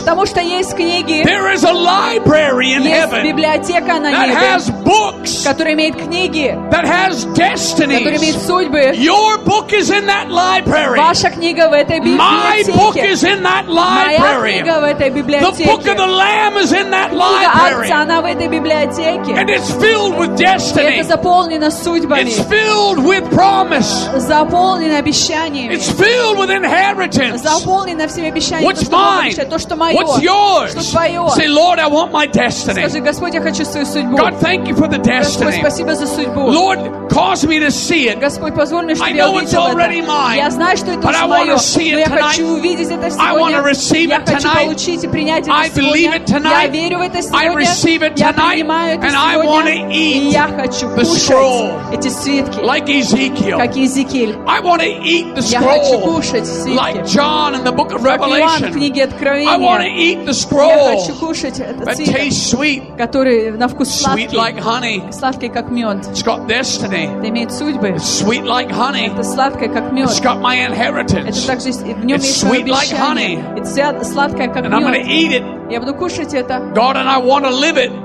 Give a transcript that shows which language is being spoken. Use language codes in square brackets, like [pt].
[ru] Потому что есть книги. [en] There is a library in [ru] есть [en] heaven. [ru] Библиотека на [en] that [ru] небе. [en] Has books. [ru] Которая имеет книги. [en] That has destinies. [ru] Которая имеет судьбы. [en] Your book is in that library. [ru] Ваша книга в этой библиотеке. [en] My book is in that library. [ru] Моя книга в этой библиотеке. [en] The book of the Lamb is in that library. [ru] Книга Агнца в этой библиотеке. [en] And it's filled with destiny. [ru] Это заполнено судьбами. [en] It's filled with promise. [ru] Заполнено обещаниями. [en] It's filled with inheritance. [ru] Заполнено всеми обещаниями. [en] What's mine? [ru] То, что мое. [en] What's yours? [ru] Что твое. [en] Say, Lord, I want my destiny. [ru] Скажи, Господь, я хочу свою судьбу. [en] God, thank you for the destiny. [ru] Господь, спасибо за судьбу. [en] Lord, cause me to see it. [ru] Господь, позволь мне, чтобы я увидел это. [en] I know it's already mine. [ru] Я знаю, что [en] But I want to see it tonight. I want to receive it tonight. [ru] И принять это [en] I believe [ru] сегодня. [en] It tonight. I receive it tonight. [ru] Я принимаю это [en] and [ru] сегодня. [en] I want to eat the scroll like Ezekiel. [ru] Как Иезекииль. [en] I want to eat the scroll like John in the book of Revelation. [ru] Как Иоанн в книге Откровения. [en] I want to eat the scroll that tastes sweet, [ru] который на вкус сладкий, [en] sweet like honey. [ru] Сладкий как мед. [en] It's got destiny. [ru] Это имеет судьбы. [en] It's sweet like honey. [ru] Это сладкое как мед. [en] It's got my inheritance. It's sweet like honey. It's [ru] сладкое как мед. [en] And I'm going to eat it. [ru] Я буду кушать это. [en] God and I want to live it.